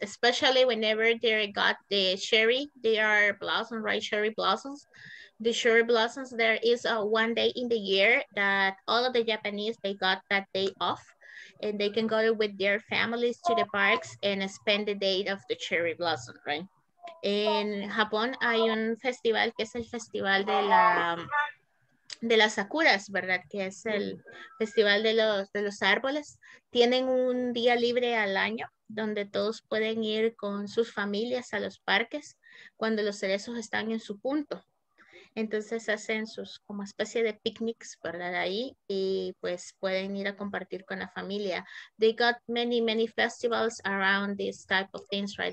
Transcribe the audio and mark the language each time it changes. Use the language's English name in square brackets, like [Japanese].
[English] Especially whenever they got the cherry, they are blossoms, right? Cherry blossoms. The cherry blossoms, there is a one day in the year that all of the Japanese, they got that day off. And they can go with their families to the parks and spend the day of the cherry blossom, right? [Spanish] En Japón hay un festival que es el festival de las sakuras, ¿verdad? Que es el festival de los árboles. Tienen un día libre al año donde todos pueden ir con sus familias a los parques cuando los cerezos están en su punto. Entonces hacen sus como especie de picnics, ¿verdad? Ahí y pues pueden ir a compartir con la familia. [English] They got many, many festivals around this type of things, right?